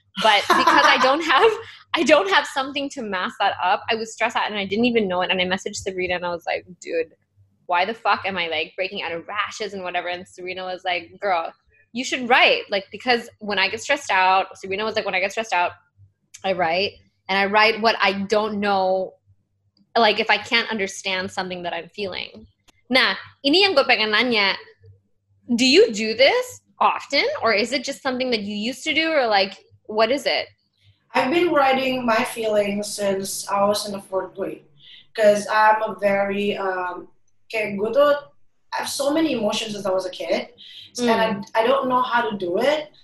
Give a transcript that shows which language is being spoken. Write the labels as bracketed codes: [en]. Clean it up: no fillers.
[en] But because I don't have something to mask that up, I was stressed out and I didn't even know it. And I messaged Sabrina and I was like, dude, why the fuck am I like breaking out of rashes and whatever? And Sabrina was like, girl, you should write. Like, because when I get stressed out, Sabrina was like, when I get stressed out, I write. And I write what I don't know, like if I can't understand something that I'm feeling. [id] Nah, ini yang gue pengen nanya. [en] Do you do this often, or is it just something that you used to do, or like, what is it? I've been writing my feelings since I was in the fourth grade, because I'm a very I have so many emotions since I was a kid, and I don't know how to do it.